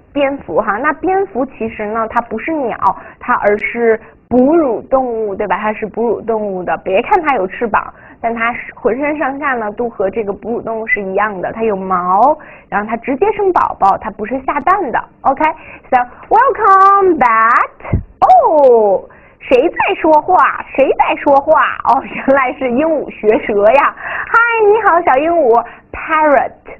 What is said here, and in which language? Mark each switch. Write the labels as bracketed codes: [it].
[zh] 蝙蝠哈，那蝙蝠其实呢，它不是鸟，它而是哺乳动物，对吧？它是哺乳动物的，别看它有翅膀，但它浑身上下呢都和这个哺乳动物是一样的，它有毛，然后它直接生宝宝，它不是下蛋的。 [en] OK， so welcome bat， [zh] 哦，谁在说话？谁在说话？哦，原来是鹦鹉学舌呀。嗨，你好，小鹦鹉 ，parrot。